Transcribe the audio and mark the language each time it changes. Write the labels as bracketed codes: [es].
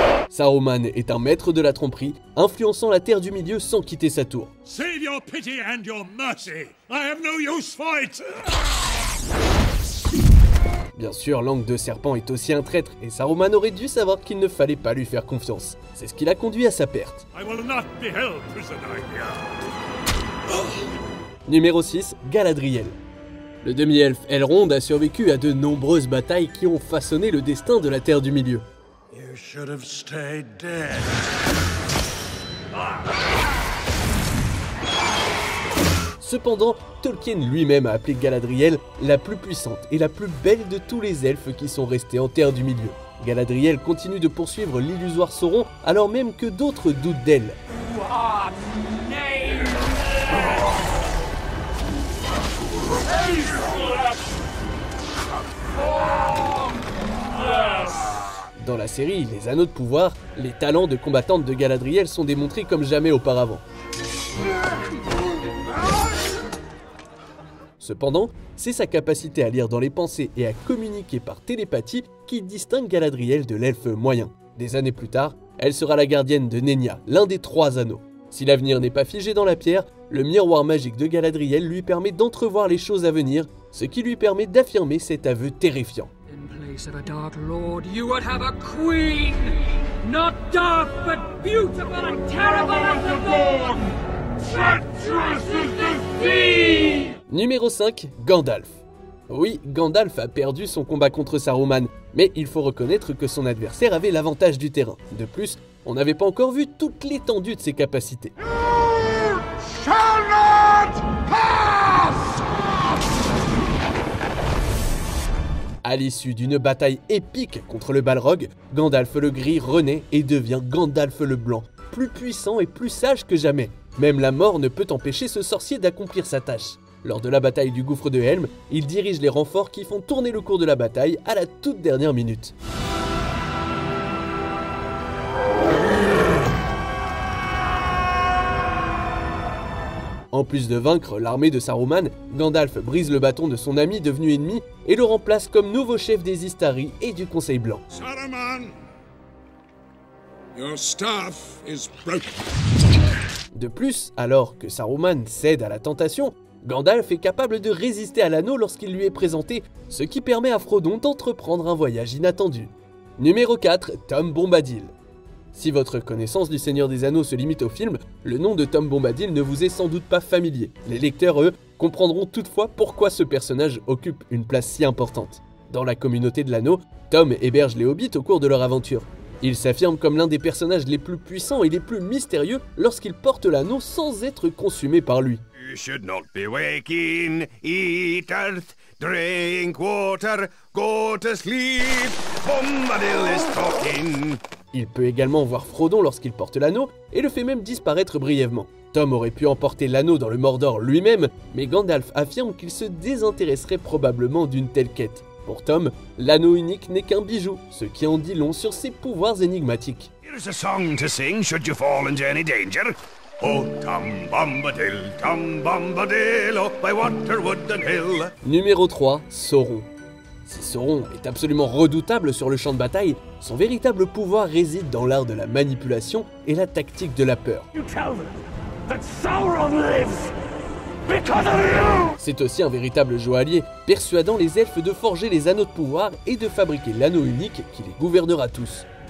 [fr] Saruman est un maître de la tromperie, influençant la Terre du Milieu sans quitter sa tour. [en] Save your pity and your mercy. I have no use for it. [fr] Bien sûr, Langue de Serpent est aussi un traître, et Saruman aurait dû savoir qu'il ne fallait pas lui faire confiance. C'est ce qui l'a conduit à sa perte. [en] I will not be held, prisoner here. [fr] Numéro 6, Galadriel. Le demi-elfe Elrond a survécu à de nombreuses batailles qui ont façonné le destin de la Terre du Milieu. [en] You should have stayed dead. [fr] Cependant, Tolkien lui-même a appelé Galadriel la plus puissante et la plus belle de tous les elfes qui sont restés en Terre du Milieu. Galadriel continue de poursuivre l'illusoire Sauron alors même que d'autres doutent d'elle. Dans la série Les Anneaux de Pouvoir, les talents de combattante de Galadriel sont démontrés comme jamais auparavant. Cependant, c'est sa capacité à lire dans les pensées et à communiquer par télépathie qui distingue Galadriel de l'elfe moyen. Des années plus tard, elle sera la gardienne de Nenya, l'un des trois anneaux. Si l'avenir n'est pas figé dans la pierre, le miroir magique de Galadriel lui permet d'entrevoir les choses à venir, ce qui lui permet d'affirmer cet aveu terrifiant. [en] In place of a dark lord, you would have a queen, not dark, but beautiful and terrible as the dawn. Treacherous as the sea. [fr] Numéro 5, Gandalf. Oui, Gandalf a perdu son combat contre Saruman, mais il faut reconnaître que son adversaire avait l'avantage du terrain. De plus, on n'avait pas encore vu toute l'étendue de ses capacités. [en] You shall not pass! [fr] À l'issue d'une bataille épique contre le Balrog, Gandalf le Gris renaît et devient Gandalf le Blanc, plus puissant et plus sage que jamais. Même la mort ne peut empêcher ce sorcier d'accomplir sa tâche. Lors de la bataille du gouffre de Helm, il dirige les renforts qui font tourner le cours de la bataille à la toute dernière minute. En plus de vaincre l'armée de Saruman, Gandalf brise le bâton de son ami devenu ennemi et le remplace comme nouveau chef des Istari et du Conseil Blanc. [en] Saruman, your staff is broken. [fr] De plus, alors que Saruman cède à la tentation, Gandalf est capable de résister à l'anneau lorsqu'il lui est présenté, ce qui permet à Frodon d'entreprendre un voyage inattendu. Numéro 4, Tom Bombadil. Si votre connaissance du Seigneur des Anneaux se limite au film, le nom de Tom Bombadil ne vous est sans doute pas familier. Les lecteurs, eux, comprendront toutefois pourquoi ce personnage occupe une place si importante. Dans la communauté de l'anneau, Tom héberge les Hobbits au cours de leur aventure. Il s'affirme comme l'un des personnages les plus puissants et les plus mystérieux lorsqu'il porte l'anneau sans être consumé par lui. [en] You should not be waking, eat earth, drink water, go to sleep, Bombadil is talking. [fr] Il peut également voir Frodon lorsqu'il porte l'anneau et le fait même disparaître brièvement. Tom aurait pu emporter l'anneau dans le Mordor lui-même, mais Gandalf affirme qu'il se désintéresserait probablement d'une telle quête. Pour Tom, l'anneau unique n'est qu'un bijou, ce qui en dit long sur ses pouvoirs énigmatiques. [en] Here's a song to sing should you fall into any danger. Oh, Tom Bombadil, oh, by water, wood and hill. [fr] Numéro 3, Sauron. Si Sauron est absolument redoutable sur le champ de bataille, son véritable pouvoir réside dans l'art de la manipulation et la tactique de la peur. [en] You tell them that Sauron lives because of you. [fr] C'est aussi un véritable joaillier, persuadant les elfes de forger les anneaux de pouvoir et de fabriquer l'anneau unique qui les gouvernera tous.